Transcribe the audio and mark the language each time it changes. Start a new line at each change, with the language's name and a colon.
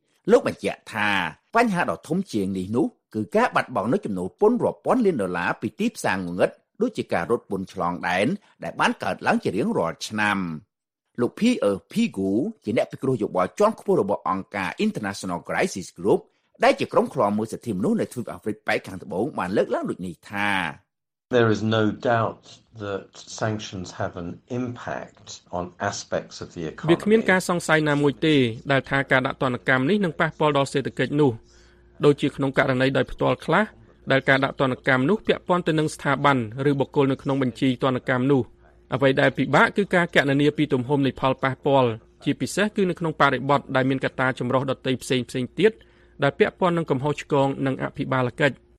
Khmer: លោកបញ្ជាក់ថាបញ្ហាដ៏ធំជាងនេះនោះគឺការបាត់បង់នូវចំនួនពន្ធរាប់ពាន់លានដុល្លារពីទីផ្សារងងឹតដូចជាការរត់ពន្ធឆ្លងដែនដែលបានកើតឡើងជារៀងរាល់ឆ្នាំលោកPigou ជាអ្នកពិគ្រោះយោបល់ជាន់ខ្ពស់របស់អង្គការ International Crisis Group ដែលជាក្រុមឃ្លាំមើលសិទ្ធិមនុស្សនៅទ្វីបអាហ្វ្រិកប៉ែកខាងត្បូងបានលើកឡើងដូចនេះថា
English: There is no doubt that sanctions have an impact on aspects of the economy
Khmer: វាគ្មានការសង្ស័យណាមួយទេដែលថាការដាក់ទណ្ឌកម្មនេះនឹងប៉ះពាល់ដល់សេដ្ឋកិច្ចនោះដូចជាក្នុងករណីដោយផ្ទាល់ខ្លះដែលការដាក់ទណ្ឌកម្មនោះពាក់ព័ន្ធទៅនឹងស្ថាប័នឬបុគ្គលនៅក្នុងបញ្ជីទណ្ឌកម្មនោះអ្វីដែលពិបាកគឺការគណនាពីទំហំនៃផលប៉ះពាល់ជាពិសេសគឺនៅក្នុងបរិបទដែលមានកត្តាចម្រុះដទៃផ្សេងៗទៀតដែលពាក់ព័ន្ធនឹងកំហុសឆ្គងនិងអភិបាលកិច្ច